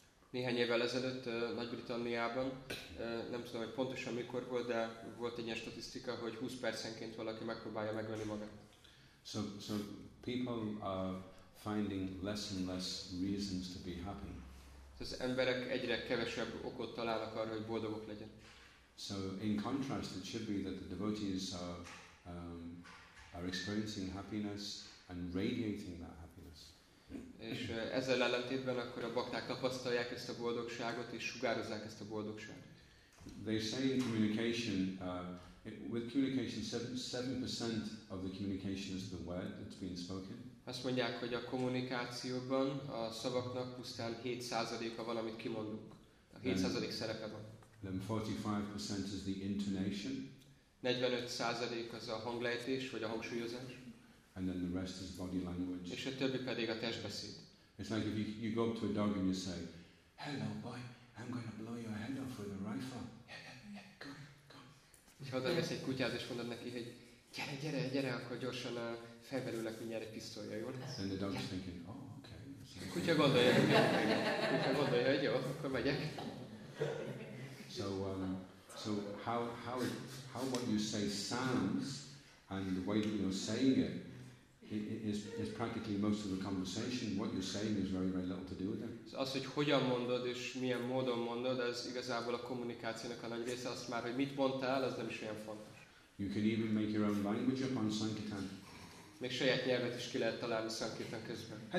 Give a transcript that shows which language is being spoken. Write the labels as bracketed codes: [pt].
[hu] Néhány évvel ezelőtt Nagy-Britanniában, nem tudom, hogy pontosan mikor volt, de volt egy ilyen statisztika, hogy 20 percenként valaki megpróbálja megölni magát. [en] So people are finding less and less reasons to be happy. [hu] Az emberek egyre kevesebb okot találnak arra, hogy boldogok legyen. [en] So in contrast, it should be that the devotees are experiencing happiness and radiating that happiness. [hu] És ezzel ellentétben akkor a bakták tapasztalják ezt a boldogságot és sugározzák ezt a boldogságot. [en] They say in communication, with communication, 7% of the communication is the word that's being spoken. [hu] Azt mondják, hogy a kommunikációban a szavaknak pusztán 7%-a van, amit kimondunk. A 7% szerepe van. [en] Then 45% is the intonation. [hu] 45% az a hanglejtés vagy a hangsúlyozás. [en] And then the rest is body language. [hu] És a többi pedig a testbeszéd. [en] It's like if you go up to a dog and you say, "Hello, boy, I'm going to blow your head off with a rifle." Yeah, yeah, yeah, go, go. [hu] És ha odavesz egy kutyát és mondod neki, hogy gyere, gyere, gyere, akkor gyorsan felverülnek mindjárt egy pisztolya, jó? [en] And the dog's thinking, "Oh, okay." [hu] A kutya gondolja, hogy jó, akkor megyek. [en] So how what you say sounds and the way that you're saying it. It is practically most of the conversation. What you're saying is very, very little to do with it. [hu] Az, hogy hogyan mondod és milyen módon mondod, ez igazából a kommunikációnak a nagy része. Azt már, hogy mit mondtál, az nem is olyan fontos. [en] You can even make your own language up on Sankirtan. [hu] Még saját nyelvet is ki lehet találni Sankirtan közben.